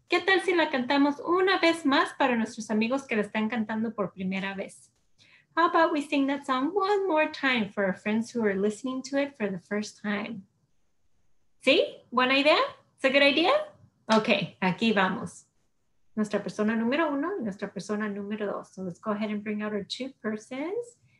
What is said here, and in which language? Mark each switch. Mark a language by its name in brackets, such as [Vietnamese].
[Spanish] ¿Qué tal si la cantamos una vez más para nuestros amigos que la están cantando por primera vez? [English] How about we sing that song one more time for our friends who are listening to it for the first time? [Spanish] ¿Sí? ¿Buena idea? ¿Es [English] a good idea? [Spanish] Ok, aquí vamos. Nuestra persona número uno y nuestra persona número dos. [English] So let's go ahead and bring out our two persons.